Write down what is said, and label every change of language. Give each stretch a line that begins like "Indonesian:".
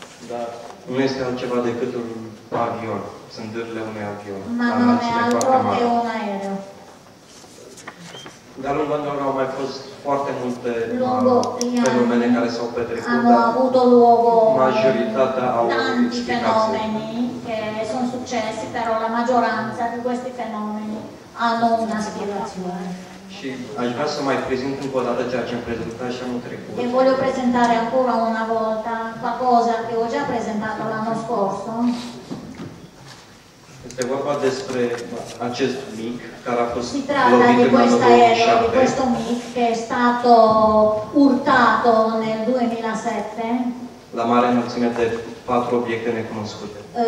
Romanian: Dar nu este altceva decât un avion, sunt dârle unui avion.
Italian: Ma non è altro che un aereo.
Romanian: De-a lungul anilor au mai fost foarte multe fenomene care s-au petrecut.
Italian: Hanno avuto luogo
Romanian: majoritatea au
Italian: tanti fenomeni che sono successi, però la maggioranza di questi fenomeni hanno una spiegazione.
Romanian: Și aș vrea să mai prezint încă o dată ceea ce am prezentat și anul trecut.
Italian: E voglio presentare ancora una volta qualcosa che ho già presentato l'anno scorso.
Romanian: Este vorba despre acest mic care a fost lovit în anul 2007.
Italian: Si tratta di questo mic che è stato urtato nel 2007.
Romanian: La mare înălțime de 4 obiecte necunoscute.